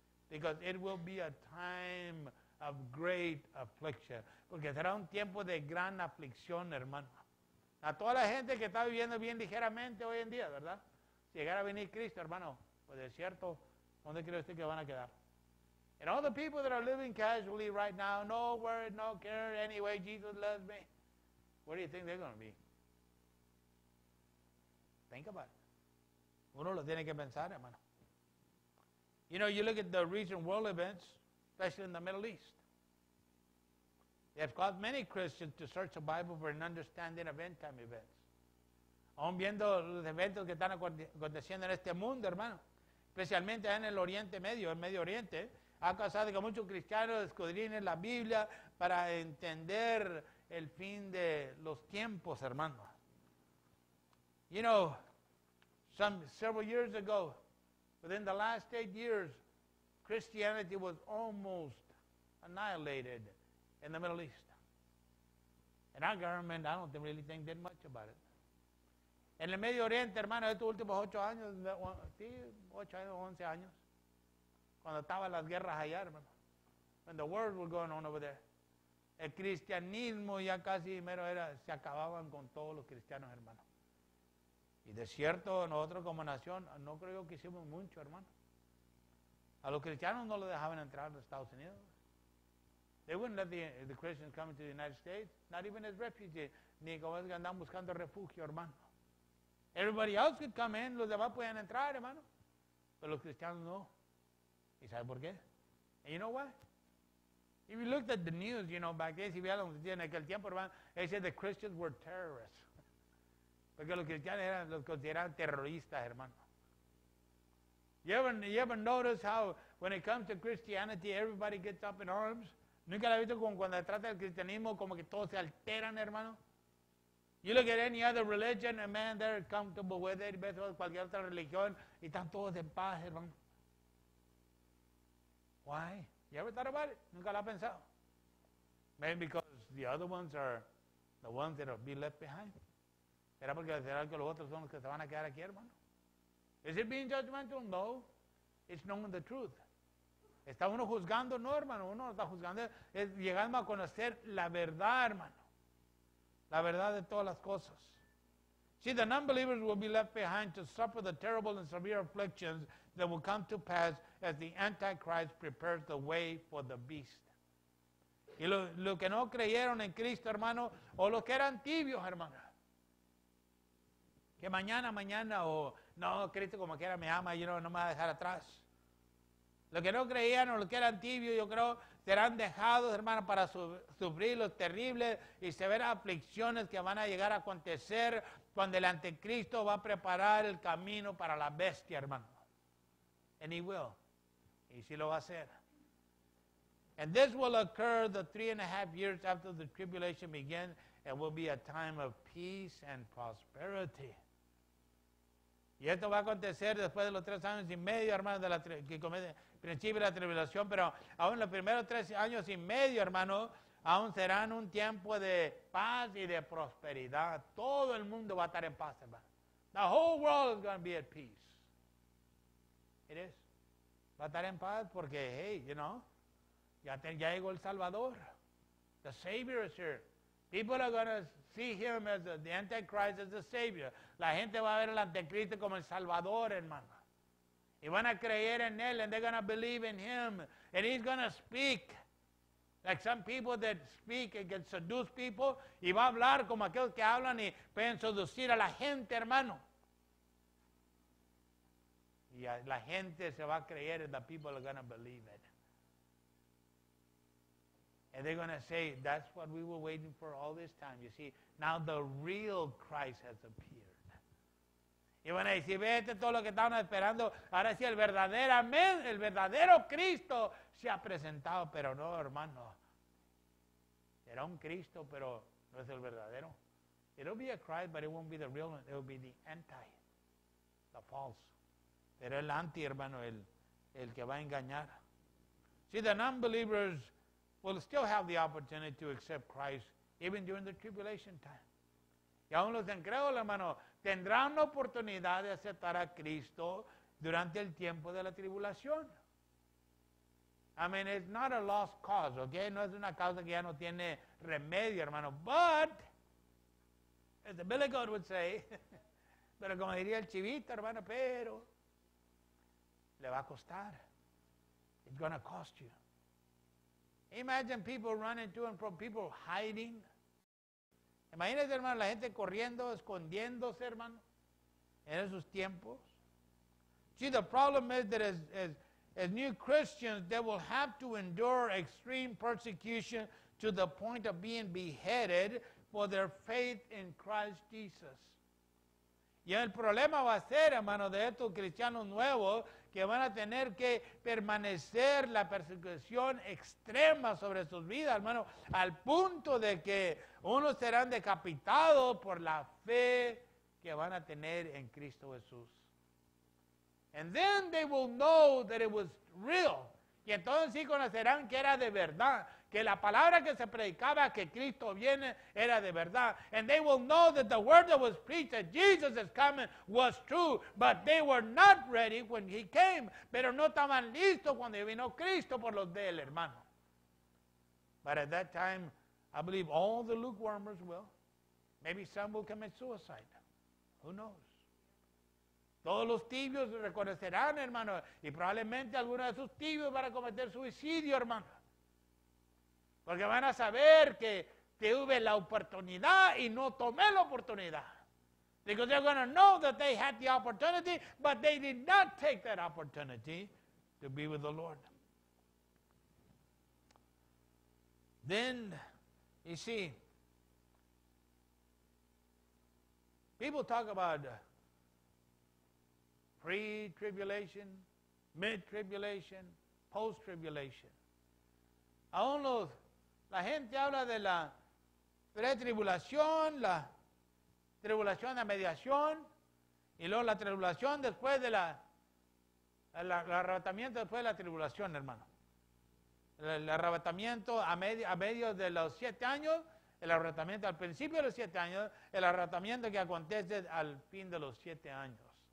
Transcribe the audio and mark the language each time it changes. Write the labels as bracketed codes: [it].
[en] Because it will be a time of great affliction. [es] Porque será un tiempo de gran aflicción, hermano. A toda la gente que está viviendo bien ligeramente hoy en día, ¿verdad? Si llegara a venir Cristo, hermano, pues es cierto, ¿dónde cree usted que van a quedar? [en] And all the people that are living casually right now, no worry, no care, anyway, Jesus loves me. Where do you think they're going to be? Think about it. [es] Uno lo tiene que pensar, hermano. [en] You know, you look at the recent world events, especially in the Middle East. They have caused many Christians to search the Bible for an understanding of end time events. Aún viendo los eventos que están aconteciendo en este mundo, hermano, especialmente en el Oriente Medio, en Medio Oriente, ha causado que muchos cristianos escudriñen la Biblia para entender el fin de los tiempos, hermano. You know, several years ago, within the last 8 years, Christianity was almost annihilated in the Middle East. And our government, I don't really think did much about it. [es] En el Medio Oriente, hermano, estos últimos 8 años, sí, 8 años, 11 años, cuando estaban las guerras allá, hermano, [en] when the wars were going on over there, [es] el cristianismo ya casi mero era, se acababan con todos los cristianos, hermano. Y de cierto, nosotros como nación, no creo que hicimos mucho, hermano. A los cristianos no lo dejaban entrar a Estados Unidos. [en] They wouldn't let the Christians come to the United States, not even as refugees, [es] ni como es que andan buscando refugio, hermano. [en] Everybody else could come in, [es] los demás pueden entrar, hermano. Pero los cristianos no. ¿Y sabe por qué? [en] And you know what? If you looked at the news, you know, back then, [es] si veía lo que decía en aquel tiempo, hermano, [en] they said the Christians were terrorists. [es] Porque los cristianos eran, los consideraban terroristas, hermano. [en] You ever notice how when it comes to Christianity, everybody gets up in arms? [es] ¿Nunca lo has visto como cuando se trata del cristianismo, como que todos se alteran, hermano? [en] You look at any other religion, and man, they're comfortable with it. [es] Ves cualquier otra religión, y están todos en paz, hermano. [en] Why? You ever thought about it? [es] ¿Nunca lo has pensado? [en] Maybe because the other ones are the ones that will be left behind. [es] ¿Será porque será que los otros son los que se van a quedar aquí, hermano? [en] Is it being judgmental? No. It's knowing the truth. [es] ¿Está uno juzgando? No, hermano. Uno no está juzgando. Es llegando a conocer la verdad, hermano. La verdad de todas las cosas. [en] See, the non-believers will be left behind to suffer the terrible and severe afflictions that will come to pass as the Antichrist prepares the way for the beast. [es] Y lo que no creyeron en Cristo, hermano, o los que eran tibios, hermano. Que mañana, o no, Cristo como quiera me ama, yo no me va a dejar atrás. Lo que no creían o lo que eran tibios, yo creo, serán dejados, hermano, para sufrir los terribles y severas aflicciones que van a llegar a acontecer cuando el anticristo va a preparar el camino para la bestia, hermano. [en] And he will. [es] Y sí lo va a hacer. [en] And this will occur the 3.5 years after the tribulation begins and will be a time of peace and prosperity. [es] Y esto va a acontecer después de los 3 años y medio, hermano, de la que comienza principio de la tribulación, pero aún los primeros 3 años y medio, hermano, aún serán un tiempo de paz y de prosperidad. Todo el mundo va a estar en paz, hermano. [en] The whole world is going to be at peace. It is. [es] Va a estar en paz porque, [en] hey, you know, [es] ya llegó el Salvador. [en] The Savior is here. People are going to see him as the Antichrist, as the Savior. [es] La gente va a ver al Anticristo como el Salvador, hermano. Y van a creer en él, [en] and they're going to believe in him. And he's going to speak like some people that speak and can seduce people. [es] Y va a hablar como aquellos que hablan y pueden seducir a la gente, hermano. Y la gente se va a creer, [en] and the people are going to believe it. And they're going to say, that's what we were waiting for all this time. You see, now the real Christ has appeared. [es] Y van a decir, vete todo lo que estaban esperando. Ahora sí, el verdadero Cristo se ha presentado. Pero no, hermano. Será un Cristo, pero no es el verdadero. [en] It'll be a Christ, but it won't be the real one. It'll be the anti, the false. [es] Pero el anti, hermano, el que va a engañar. [en] See, the non-believers will still have the opportunity to accept Christ even during the tribulation time. [es] Y aún los incrédulos, hermano, tendrán la oportunidad de aceptar a Cristo durante el tiempo de la tribulación. [en] I mean, it's not a lost cause, okay? [es] No es una causa que ya no tiene remedio, hermano. [en] But, as the Billy Goat would say, [es] pero como diría el chivito, hermano, pero le va a costar. [en] It's going to cost you. Imagine people running to and from, people hiding. [es] Imagínese, hermano, la gente corriendo, escondiéndose, hermano, en esos tiempos. [en] See, the problem is that as new Christians, they will have to endure extreme persecution to the point of being beheaded for their faith in Christ Jesus. [es] Y el problema va a ser, hermano, de estos cristianos nuevos que van a tener que permanecer la persecución extrema sobre sus vidas, hermano, al punto de que unos serán decapitados por la fe que van a tener en Cristo Jesús. [en] And then they will know that it was real. [es] Y entonces sí conocerán que era de verdad, que la palabra que se predicaba que Cristo viene era de verdad. [en] And they will know that the word that was preached that Jesus is coming was true, but they were not ready when he came. [es] Pero no estaban listos cuando vino Cristo por los de él, hermano. [en] But at that time, I believe all the lukewarmers will. Maybe some will commit suicide. Who knows? [es] Todos los tibios reconocerán, hermano, y probablemente algunos de esos tibios van a cometer suicidio, hermano. Porque van a saber que tuve la oportunidad y no tomé la oportunidad. [en] Because they're going to know that they had the opportunity, but they did not take that opportunity to be with the Lord. Then, you see, people talk about pre-tribulation, mid-tribulation, post-tribulation. [es] Aún los La gente habla de la pretribulación, la tribulación de mediación, y luego la tribulación después de el arrebatamiento después de la tribulación, hermano. El arrebatamiento a medio de los 7 años, el arrebatamiento al principio de los 7 años, el arrebatamiento que acontece al fin de los 7 años.